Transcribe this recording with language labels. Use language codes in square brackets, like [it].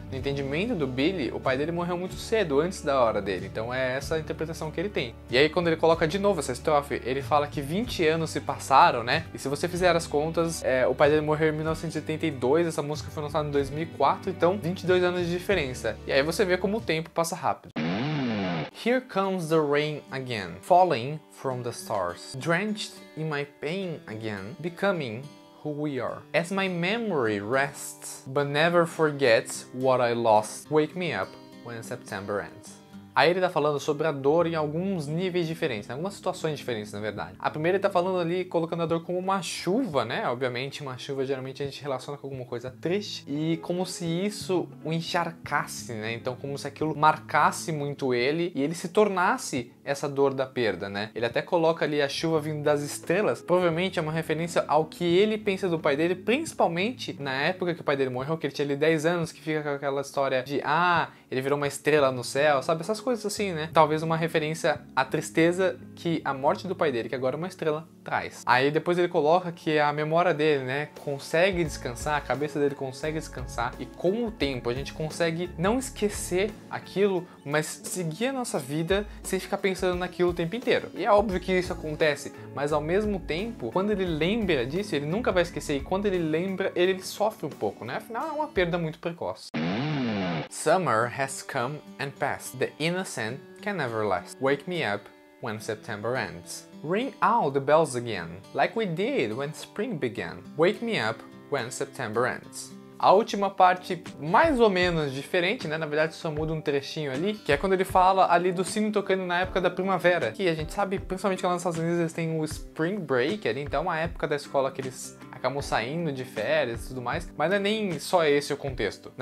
[pt] No entendimento do Billy, o pai dele morreu muito cedo, antes da hora dele, então é essa a interpretação que ele tem. E aí quando ele coloca de novo essa estrofe, ele fala que 20 anos se passaram, né? E se você fizer as contas, o pai dele morreu em 1982, essa música foi lançada em 2004, então 22 anos de diferença. E aí você vê como o tempo passa rápido. [en] Here comes the rain again, falling from the stars, drenched in my pain again, becoming who we are. As my memory rests, but never forgets what I lost, wake me up when September ends. [pt] Aí ele tá falando sobre a dor em alguns níveis diferentes, em algumas situações diferentes, na verdade. A primeira ele tá falando ali, colocando a dor como uma chuva, né? Obviamente, uma chuva geralmente a gente relaciona com alguma coisa triste. E como se isso o encharcasse, né? Então, como se aquilo marcasse muito ele e ele se tornasse essa dor da perda, né? Ele até coloca ali a chuva vindo das estrelas. Provavelmente é uma referência ao que ele pensa do pai dele, principalmente na época que o pai dele morreu, que ele tinha ali 10 anos, que fica com aquela história de, ah, ele virou uma estrela no céu, sabe? Essas coisas assim, né? Talvez uma referência à tristeza que a morte do pai dele, que agora é uma estrela, traz. Aí depois ele coloca que a memória dele, né, consegue descansar, a cabeça dele consegue descansar, e com o tempo a gente consegue não esquecer aquilo, mas seguir a nossa vida sem ficar pensando naquilo o tempo inteiro. E é óbvio que isso acontece, mas ao mesmo tempo, quando ele lembra disso, ele nunca vai esquecer, e quando ele lembra, ele sofre um pouco, né? Afinal, é uma perda muito precoce. [en] Summer has come and passed. The innocent can never last. Wake me up when September ends. Ring out the bells again, like we did when spring began. Wake me up when September ends. [pt] A última parte, mais ou menos diferente, né? Na verdade, só muda um trechinho ali, que é quando ele fala ali do sino tocando na época da primavera. Que a gente sabe, principalmente que lá nos Estados Unidos, eles têm o spring break ali, então é uma época da escola que eles acabam saindo de férias e tudo mais, mas não é nem só esse o contexto.